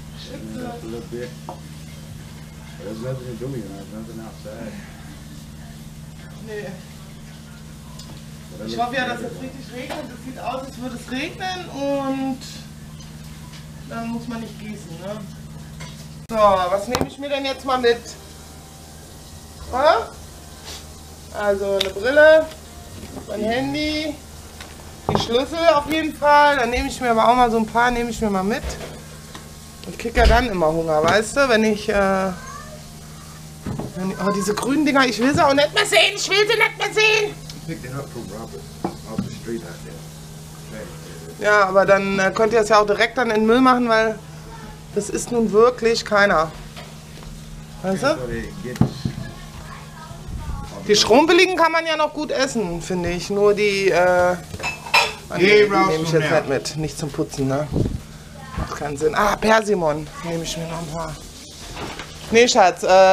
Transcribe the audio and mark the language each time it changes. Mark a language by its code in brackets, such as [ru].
[en] There's nothing to do here. There's nothing outside. [de] Nee. Ich hoffe ja, dass es richtig regnet. Es sieht aus, als würde es regnen. Und dann muss man nicht gießen, ne? So, was nehme ich mir denn jetzt mal mit? Ha? Also eine Brille. Mein Handy. Die Schlüssel auf jeden Fall, dann nehme ich mir aber auch mal so ein paar, nehme ich mir mal mit. Ich kriege ja dann immer Hunger, weißt du, wenn ich, oh, diese grünen Dinger, ich will sie auch nicht mehr sehen, ich will sie nicht mehr sehen. [en] Pick them up from Robert, off the street out there. [de] Ja, aber dann könnt ihr das ja auch direkt dann in den Müll machen, weil das ist nun wirklich keiner. Weißt du? Die Schrumpeligen kann man ja noch gut essen, finde ich, nur die, Nee, nehme ich jetzt halt mit. Nicht zum Putzen, ne? Macht keinen Sinn. Ah, Persimmon. Nehme ich mir noch ein paar. Nee, Schatz.